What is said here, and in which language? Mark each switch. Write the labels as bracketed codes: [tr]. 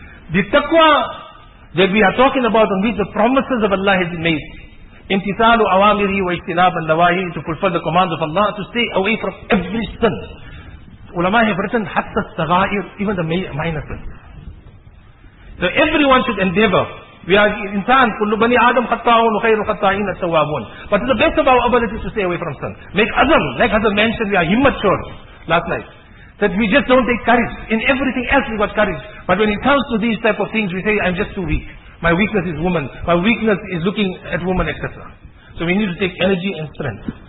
[en] The taqwa that we are talking about, on which the promises of Allah has been made, [ar] امتثال أوامره واجتناب النواهي, [en] to fulfill the commands of Allah, to stay away from every sin. Ulama have written, [ar] حتى الصغائر, [en] even the minor sins. So everyone should endeavor. We are [ar] insan, كل بني آدم خطاؤون وخير خطائين التوابون. [en] But to the best of our ability to stay away from sin. Make azam, like Hazrat mentioned, we are immature last night. That we just don't take courage. In everything else we got courage. But when it comes to these type of things, we say, I'm just too weak. My weakness is woman. My weakness is looking at woman, etc. So we need to take energy and strength.